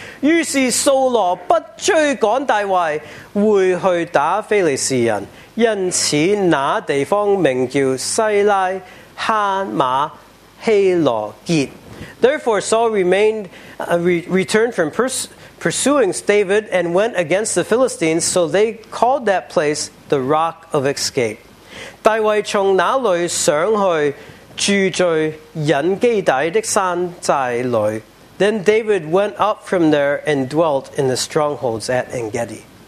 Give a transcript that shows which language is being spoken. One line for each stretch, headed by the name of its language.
Chinese: 于是扫罗不追赶大卫，回去打非利士人，因此那地方名叫西拉哈马希罗杰。
English: Therefore, Saul remained, returned from pursuing David and went against the Philistines, so they called that place the Rock of Escape.
Chinese: 大卫从那里上去, 住在隐基底的山寨里。
English: Then David went up from there and dwelt in the strongholds at En-Gedi.